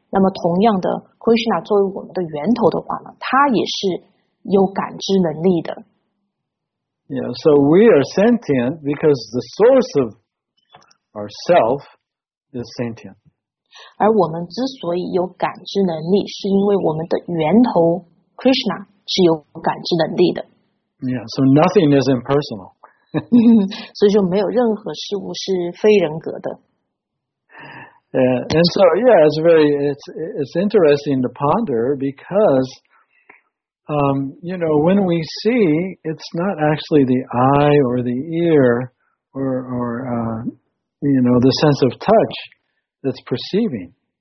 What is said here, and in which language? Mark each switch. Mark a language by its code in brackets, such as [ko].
[zh] 那么同样的 Krishna 作为我们的源头的话呢，他也是有感知能力的。 [en] Yeah, so we are sentient because the source of ourself is sentient. [zh] 而我们之所以有感知能力，是因为我们的源头 Krishna 是有感知能力的。 [en] Yeah, so nothing is impersonal. [zh] 所以就没有任何事物是非人格的。 [en] And so, yeah, it's interesting to ponder because, you know, when we see, it's not actually the eye or the ear or the sense of touch that's perceiving.